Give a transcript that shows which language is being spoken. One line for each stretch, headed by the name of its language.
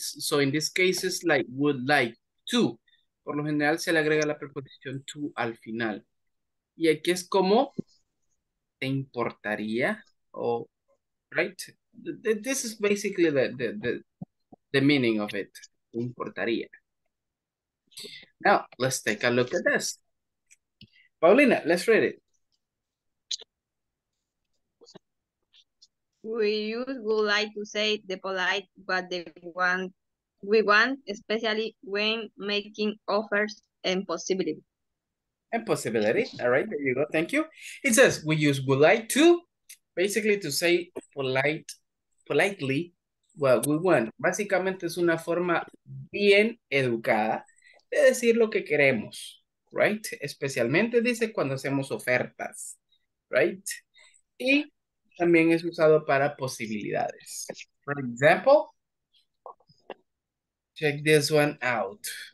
English: So in this case it's like would like to.
Spanish: Por lo general se le agrega la preposición to al final. Y aquí es como te importaría o right?
English: This is basically the meaning of it.
Spanish: Te importaría.
English: Now, let's take a look at this. Paulina, let's read it. We use would like to say the polite but the one we want, especially when making offers and possibility. And possibility. All right, there you go. Thank you. It says we use would like to basically to say politely what we want.
Spanish: Básicamente es una forma bien educada de decir lo que queremos, right? Especialmente dice cuando hacemos ofertas, right? Y también es usado para posibilidades.
English: For example, check this one out.